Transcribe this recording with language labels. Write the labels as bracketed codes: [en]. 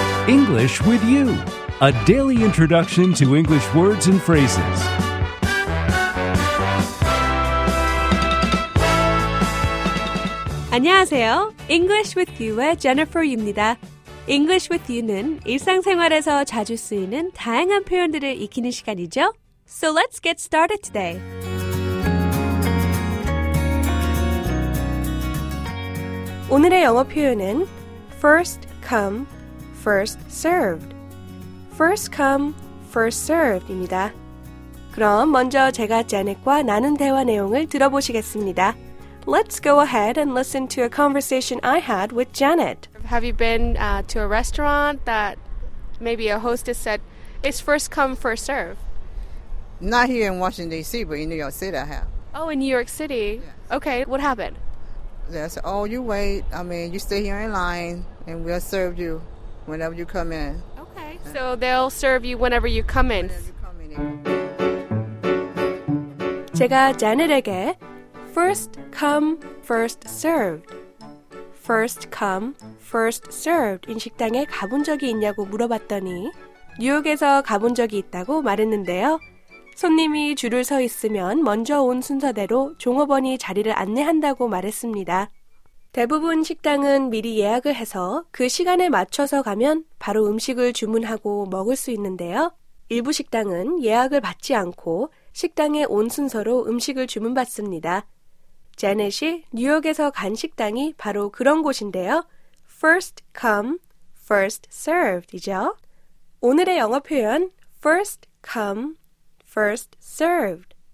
[en] English with you, a daily introduction to English words and phrases. Hello, [ko] English with you의 Jennifer입니다. English with you는 일상생활에서 자주 쓰이는 다양한 표현들을 익히는 시간이죠. [en] So let's get started today. [ko] 오늘의 영어 표현은 first come, first served. First come, first served입니다. 그럼 먼저 제가 제넷과 나눈 대화 내용을 들어보시겠습니다. [en] Let's go ahead and listen to a conversation I had with Janet. Have you been to a restaurant that maybe a hostess said, it's first come, first serve? Not here in Washington, D.C., but in New York City I have. Oh, in New York City. Yes. Okay, what happened? They said, oh, you wait. I mean, you stay here in line and we'll serve you whenever you come in. Okay, so they'll serve you whenever you come in. Whenever you come in. [ko] 제가 Janet에게 [en] first come, first served. First come, first served. [ko] 인 식당에 가본 적이 있냐고 물어봤더니 뉴욕에서 가본 적이 있다고 말했는데요. 손님이 줄을 서 있으면 먼저 온 순서대로 종업원이 자리를 안내한다고 말했습니다. 대부분 식당은 미리 예약을 해서 그 시간에 맞춰서 가면 바로 음식을 주문하고 먹을 수 있는데요. 일부 식당은 예약을 받지 않고 식당에 온 순서로 음식을 주문받습니다. 제넷이 뉴욕에서 간 식당이 바로 그런 곳인데요. First come, first served이죠. 오늘의 영어 표현 first come, first served.